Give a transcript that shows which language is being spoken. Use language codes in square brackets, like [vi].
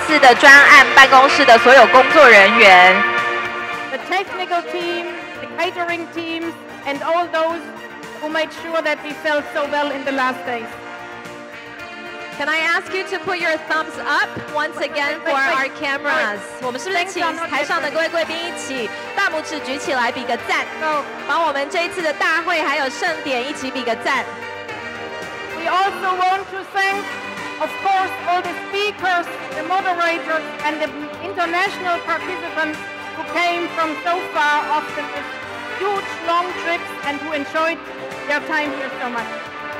[zh] 也特别感谢高雄市交通局，还有生态交通的这次的专案办公室的所有工作人员。 [en] The technical team, the catering team, and all those who made sure that we felt so well in the last days. Can I ask you to put your thumbs up once again for our cameras? [zh] 我们是不是请台上的各位贵宾一起大拇指举起来比个赞，帮我们这一次的大会还有盛典一起比个赞。 [en] We also want to thank, of course, all the speakers, the moderators, and the international participants who came from so far off the huge long trips and who enjoyed their time here so much.